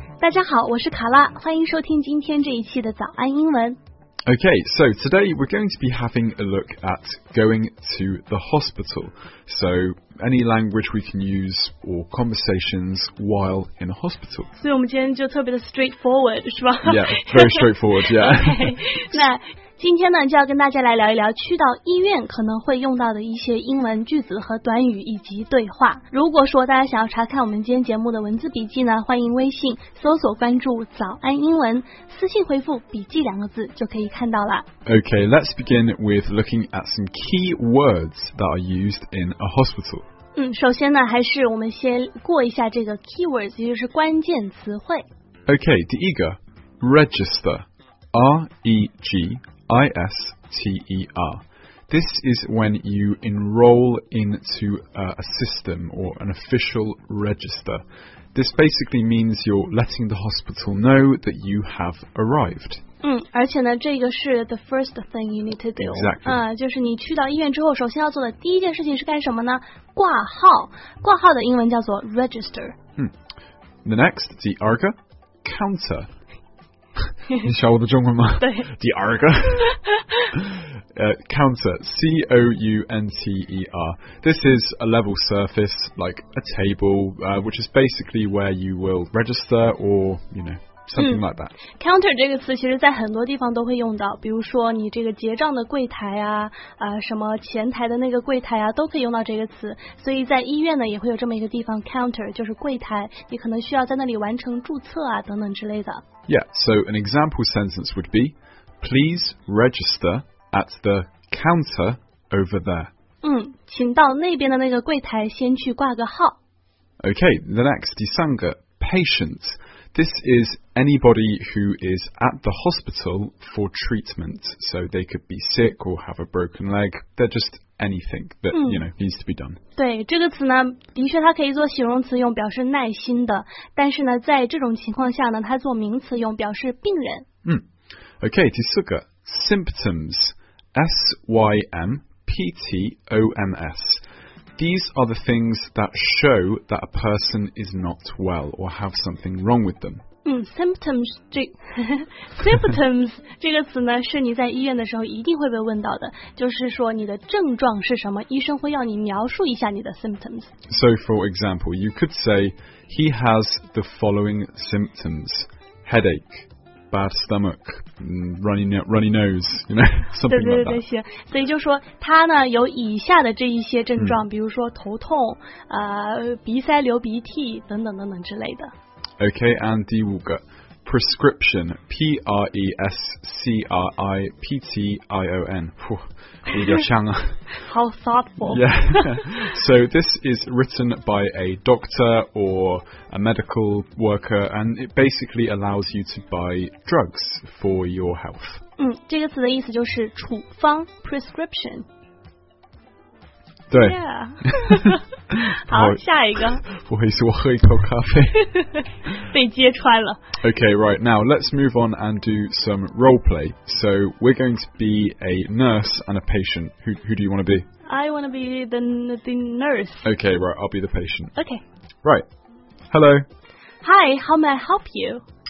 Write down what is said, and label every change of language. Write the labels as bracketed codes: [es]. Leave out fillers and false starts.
[zh] 大家好,我是卡拉, 欢迎收听今天这一期的早安英文。 [en] Okay, so today we're going to be having a look at going to the hospital. So, any language we can use or conversations while in a hospital. [zh] 所以我们今天就特别的 straightforward, 是吧 [en] Yeah, very straightforward, yeah. [zh] Okay, 那今天呢就要跟大家来聊一聊去到医院可能会用到的一些英文句子和短语以及对话。如果说大家想要查看我们今天节目的文字笔记呢，欢迎微信搜索关注早安英文，私信回复笔记两个字就可以看到了。 [en] OK, let's begin with looking at some key words that are used in a hospital. [zh] 首先呢还是我们先过一下这个 keywords, 也就是关键词汇。 [en] OK, [zh] 第一个 [en] register, R-E-G-I-S-T-E-R. This is when you enroll into a system or an official register. This basically means you're letting the hospital know that you have arrived. [zh] 而且呢这个是 [en] the first thing you need to do. Exactly. [zh] 就是你去到医院之后首先要做的第一件事情是干什么呢？挂号。挂号的英文叫做 register. [en] The next, the arga, counter. [zh] 你学我的中文吗？对，第二个 [en] counter, C-O-U-N-T-E-R. This is a level surface, like a table, which is basically where you will register or, you know, something like that. [zh] Counter 这个词其实在很多地方都会用到，比如说你这个结账的柜台啊，什么前台的那个柜台啊，都可以用到这个词。所以在医院呢，也会有这么一个地方 counter, 就是柜台，你可能需要在那里完成注册啊，等等之类的。 [en] Yeah, so an example sentence would be, please register at the counter over there. [zh] 请到那边的那个柜台先去挂个号。 [en] Okay, the next, [zh] 第三个 [en] patient. This is anybody who is at the hospital for treatment. So they could be sick or have a broken leg. They're just... anything that, you know, needs to be done. [zh] 对，这个词呢，的确它可以做形容词用，表示耐心的。但是呢，在这种情况下呢，它做名词用，表示病人。 [en] Okay, [zh] 第四个 [en] symptoms, S-Y-M-P-T-O-M-S. These are the things that show that a person is not well or have something wrong with them. [zh] Symptoms 这个词呢是你在医院的时候一定会被问到的，就是说你的症状是什么，医生会要你描述一下你的 symptoms. [en] So for example, you could say he has the following symptoms: headache, bad stomach, runny nose, you know, something like that. [zh] 对对对，行。所以就说他呢有以下的这一些症状，比如说头痛，鼻塞流鼻涕等等等等之类的。 [en] Okay, and [zh] 第五个 [en] prescription, P-R-E-S-C-R-I-P-T-I-O-N. [zh] 哇，比较像啊。 [en] How thoughtful. Yeah. So this is written by a doctor or a medical worker, and it basically allows you to buy drugs for your health. [zh] 这个词的意思就是处方 prescription. 对。 Yeah. 好，下一个。不好意思，我喝一口咖啡。被揭穿了。 [en] Okay, right, now let's move on and do some role play. So we're going to be a nurse and a patient. Who do you want to be? I want to be the nurse. Okay, right, I'll be the patient. Okay. Right. Hello. Hi, how may I help you?